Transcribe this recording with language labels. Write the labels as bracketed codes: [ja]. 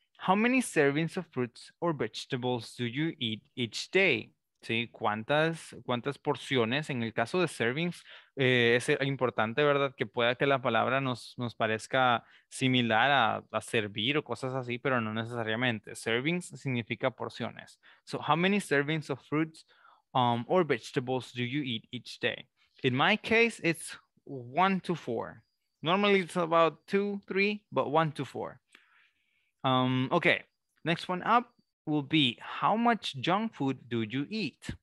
[en] How many servings of fruits or vegetables do you eat each day? [es] ¿Sí? ¿Cuántas porciones? En el caso de servings, es importante, ¿verdad? Que pueda que la palabra nos parezca similar a servir o cosas así, pero no necesariamente. Servings significa porciones. [en] So, how many servings of fruits or vegetables do you eat each day? In my case, it's 1 to 4. Normally, it's about 2, 3, but 1 to 4. Okay, next one up will be, how much junk food do you eat?